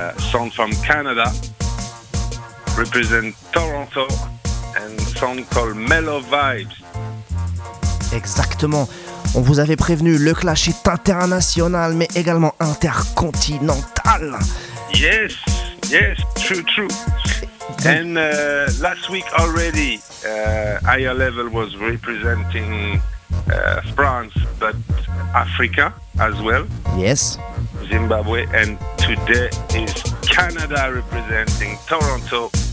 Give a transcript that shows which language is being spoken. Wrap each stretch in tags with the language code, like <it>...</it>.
<en>song from Canada, represent Toronto, and song called Mellow Vibes.</en> <fr>Exactement. On vous avait prévenu, le clash est international, mais également intercontinental.</fr> <en>Yes, yes, true, true. And last week already, higher level was representing France, but Africa as well. Yes. Zimbabwe, and today is Canada representing Toronto.</en>